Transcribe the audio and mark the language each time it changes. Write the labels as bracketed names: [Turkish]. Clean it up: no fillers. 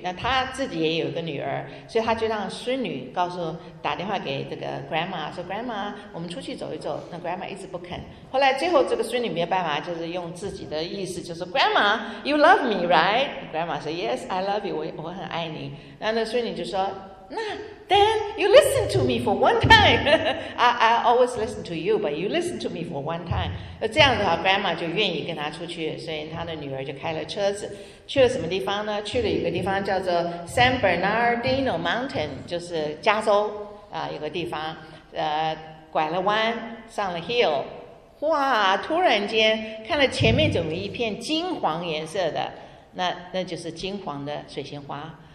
[Chinese] 那他自己也有一个女儿，所以他就让孙女告诉打电话给这个 grandma 说 grandma 我们出去走一走。那 grandma 一直不肯，后来最后这个孙女没有办法，就是用自己的意思，就是 [English] grandma you love me right， [Chinese] grandma 说 [English] yes I love you， [Chinese] 我很爱你。那孙女就说那 [English] Then you listen to me for one time. I always listen to you, but you listen to me for one time. [Chinese] 这样的话 grandma 就愿意跟他出去，所以他的女儿就开了车子。去了什么地方呢？去了一个地方叫做 San Bernardino Mountain， 就是加州啊，有个地方，拐了弯，上了 hill。哇，突然间看了前面怎么一片金黄颜色的，那就是金黄的水仙花。